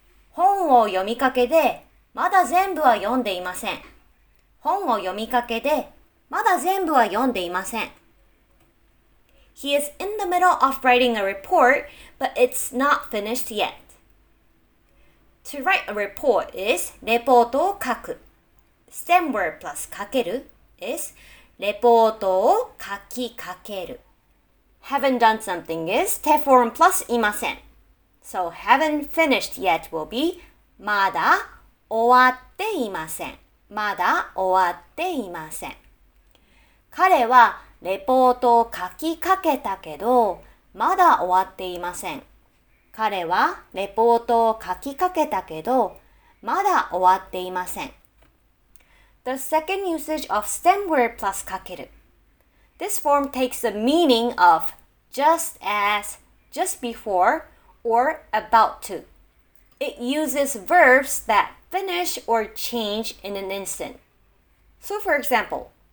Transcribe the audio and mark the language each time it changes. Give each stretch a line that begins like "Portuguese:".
Japanese: 本を読みかけでまだ全部は読んでいません。本を読みかけでまだ全部は読んでいません。
English: He is in the middle of writing a report, but it's not finished yet. To write a report is
Japanese: レポートを書く。
English: Stem word plus かける is
Japanese: レポートを書きかける。
English: Haven't done something is 手 form plus いません。So haven't finished yet will be
Japanese: まだ終わっていません。まだ終わっていません。彼はレポートを書きかけたけど、まだ終わっていません。彼はレポートを書きかけたけど、まだ終わっていません。
English: The second usage of stem word plus かける。 This form takes the meaning of just as, just before, or about to. It uses verbs that finish or change in an instant. So for example,